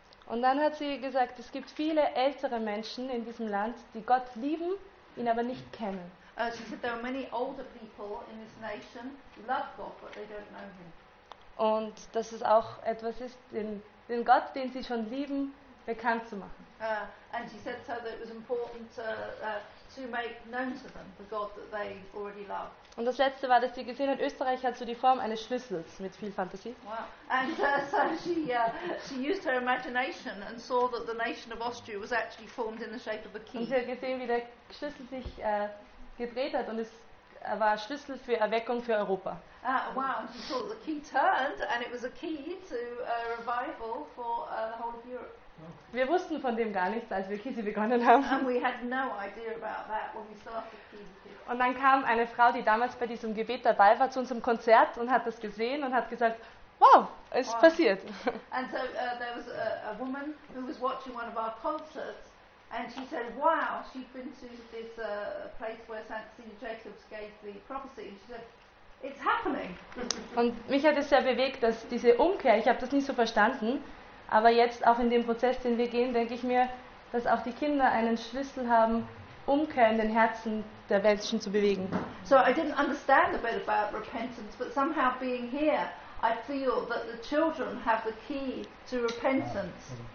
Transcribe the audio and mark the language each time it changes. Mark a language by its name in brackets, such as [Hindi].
[German] Und dann hat sie gesagt, es gibt viele ältere Menschen in diesem Land, die Gott lieben, ihn aber nicht kennen. [English] She said there are many older people in this nation who love God, but they don't know him. [German] Und dass es auch etwas ist, den Gott, den sie schon lieben, bekannt zu machen. [English] And she said so that it was important to make known to them the God that they already love. [German] Und das letzte war, dass sie gesehen hat, Österreich hat so die Form eines Schlüssels mit viel Fantasie. [English] Wow. And so she used her imagination and saw that the nation of Austria was actually formed in the shape of a key. [German] Und sie hat gesehen, wie der Schlüssel sich gedreht hat und es war Schlüssel für Erweckung für Europa. [English] Wow, and she saw the key turned and it was a key to a revival for the whole of Europe. [German] Wir wussten von dem gar nichts, als wir Kisi begonnen haben. [English] And we had no idea about that when we started Kisi. [German] Und dann kam eine Frau, die damals bei diesem Gebet dabei war, zu unserem Konzert und hat das gesehen und hat gesagt, wow, es wow. passiert. [English] And so there was a woman who was watching one of our concerts and she said, wow, she'd been to this place where St. Jacobs gave the prophecy. And she said, it's happening. [German] Und mich hat es sehr bewegt, dass diese Umkehr, ich habe das nicht so verstanden, aber jetzt auch in dem Prozess, den wir gehen, denke ich mir, dass auch die Kinder einen Schlüssel haben, Umkehr in den Herzen der Menschen zu bewegen. [English] So I didn't understand a bit about repentance, but somehow being here, I feel that the children have the key to repentance.